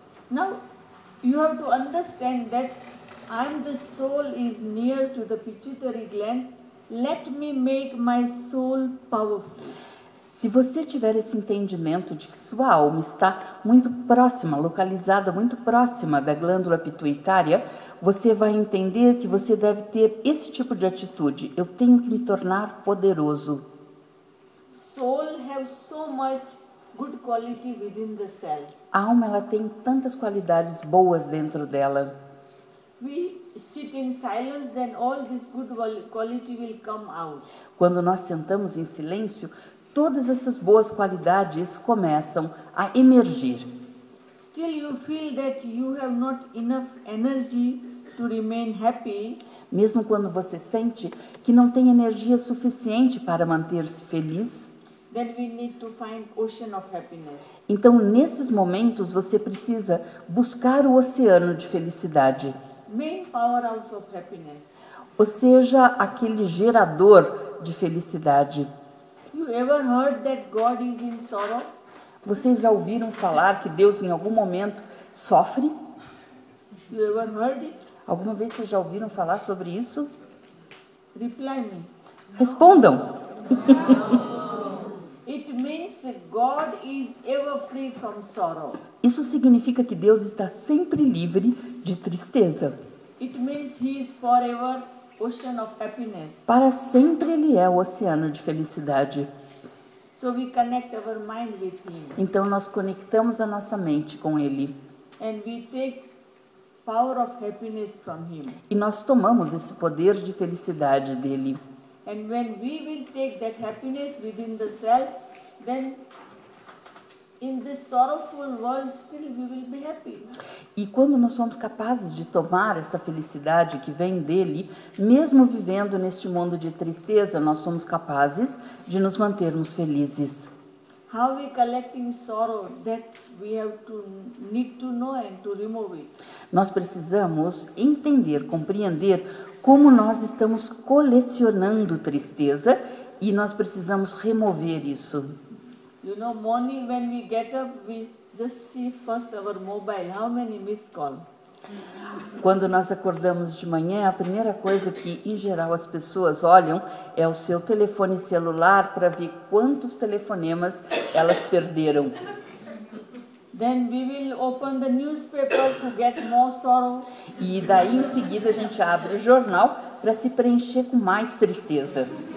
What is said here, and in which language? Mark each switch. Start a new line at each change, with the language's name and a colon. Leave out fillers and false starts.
English: Now, you have to understand that I'm the soul is near to the pituitary glands. Let me make my soul powerful.
Portuguese: Se você tiver esse entendimento de que sua alma está muito próxima, localizada muito próxima da glândula pituitária, você vai entender que você deve ter esse tipo de atitude. Eu tenho que me tornar poderoso.
English: Soul have so much good quality within the self.
Portuguese: A alma ela tem tantas qualidades boas dentro dela.
English: We sit in silence, then all this good quality will come out.
Portuguese: Quando nós sentamos em silêncio, todas essas boas qualidades começam a emergir.
English: Still you feel that you have not enough energy to remain happy.
Portuguese: Mesmo quando você sente que não tem energia suficiente para manter-se feliz.
English: Then we need to find ocean of happiness.
Portuguese: Então, nesses momentos, você precisa buscar o oceano de felicidade.
English: Main powerhouse of happiness.
Portuguese: Ou seja, aquele gerador de felicidade.
English: You ever heard that God is in sorrow?
Portuguese: Vocês já ouviram falar que Deus em algum momento sofre?
English: You ever heard it?
Portuguese: Alguma vez vocês já ouviram falar sobre isso?
English: Reply me.
Portuguese: Respondam.
English: It means God is ever free from sorrow.
Portuguese: Isso significa que Deus está sempre livre de tristeza.
English: It means he is forever ocean of happiness.
Portuguese: Para sempre ele é o oceano de felicidade.
English: So we connect our mind with him.
Portuguese: Então nós conectamos a nossa mente com ele.
English: And we take power of happiness from him.
Portuguese: E nós tomamos esse poder de felicidade dele.
English: And when we will take that happiness within the self, then in this sorrowful world still we will be happy.
Portuguese: E quando nós somos capazes de tomar essa felicidade que vem dele, mesmo vivendo neste mundo de tristeza, nós somos capazes de nos mantermos felizes.
English: How we collecting sorrow that we have to need to know and to remove it.
Portuguese: Nós precisamos entender, compreender como nós estamos colecionando tristeza e nós precisamos remover isso.
English: You know, morning when we get up, we just see first our mobile, how many missed calls.
Portuguese: Quando nós acordamos de manhã, a primeira coisa que, em geral, as pessoas olham é o seu telefone celular para ver quantos telefonemas elas perderam.
English: Then we will open the newspaper to get more sorrow.
Portuguese: E daí em seguida a gente abre o jornal para se preencher com mais tristeza.